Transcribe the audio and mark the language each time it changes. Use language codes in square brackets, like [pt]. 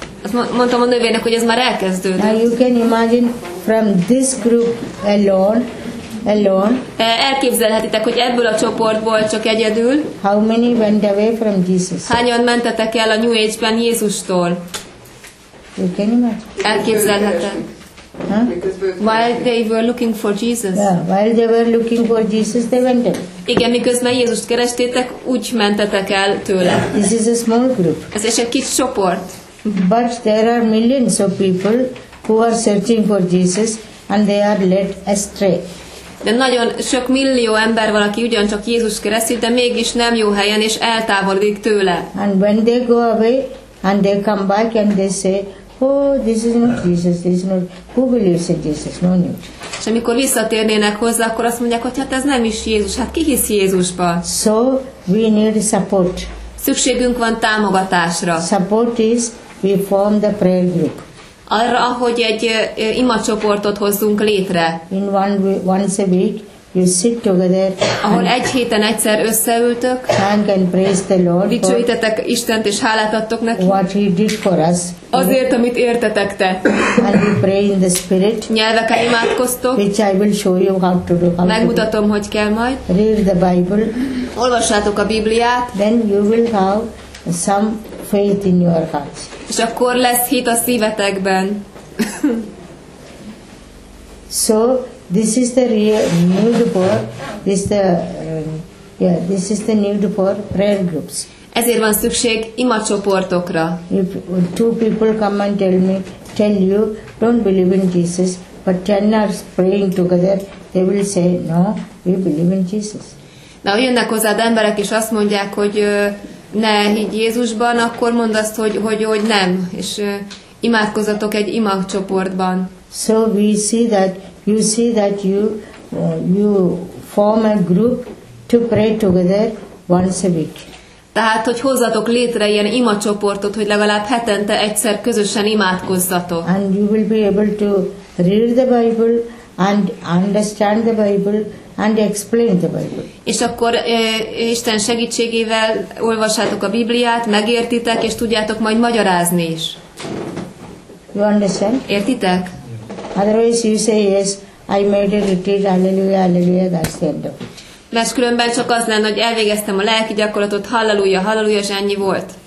[hu] Azt mondtam a nővének, hogy ez már elkezdődött. [en] Now you can imagine from this group alone. [hu] Elképzelhetitek, hogy ebből a csoportból csak egyedül. [en] How many went away from Jesus? [hu] Hányan mentetek el a New Age-ben Jézustól? [en] You can imagine. [hu] Elképzelhetek. [en] Huh? While they were looking for Jesus. Yeah, while they were looking for Jesus, they went away. [hu] Igen, miközben Jézust kerestétek, úgy mentetek el tőle. [en] This is a small group. [hu] Ez is egy kis csoport. [en] But there are millions of people who are searching for Jesus and they are led astray. [hu] De nagyon sok millió ember van, aki ugyancsak Jézus keresztül, de mégis nem jó helyen és eltávolodik tőle. [en] And when they go away, And they come back and they say, oh, this is not Jesus, this is not, who believes in Jesus, no need. [hu] És amikor visszatérnének hozzá, akkor azt mondják, hogy hát ez nem is Jézus, hát ki hisz Jézusba? [en] So, we need support. [hu] Szükségünk van támogatásra. [en] Support is, we form the prayer group. [hu] Arra, hogy egy ima csoportot hozzunk létre. [en] In once a week, you sit together. [hu] Ahol egy héten egyszer összeültök. [en] Thank and praise the Lord. [hu] Dicsőítetek Istent és hálát adtok neki. [en] What he did for us. [hu] Azért, amit értetek te. [en] And we pray in the spirit. [hu] Nyelvekkel imádkoztok. [en] Which I will show you how to do. [hu] Megmutatom, hogy kell majd. [en] Read the Bible. [hu] Olvassátok a Bibliát. [en] Then you will have some faith in your heart. [hu] És akkor lesz hit a szívetekben. [en] So, this is the new door. This is the new door prayer groups. [hu] Ezért van szükség ima csoportokra. [en] If two people come and tell you, don't believe in Jesus, but 10 are praying together, they will say, no, we believe in Jesus. [hu] Na, jönnek hozzád emberek és azt mondják, hogy ne higgy Jézusban, akkor mondd azt, hogy nem, és imádkozzatok egy ima csoportban. [en] So we see that. You see that you form a group to pray together once a week. [hu] Tehát, hogy hozzatok létre ilyen ima csoportot, hogy legalább hetente egyszer közösen imádkozzatok. [en] And you will be able to read the Bible and understand the Bible and explain the Bible. [hu] És akkor Isten segítségével olvassátok a Bibliát, megértitek és tudjátok majd magyarázni is. [en] You understand? [hu] Értitek? [en] Otherwise you say yes, I made a retreat, hallelujah, hallelujah, that's the end of it. [hu] Mert különben csak az lenne, hogy elvégeztem a lelki gyakorlatot, hallelujah, hallelujah, és ennyi volt.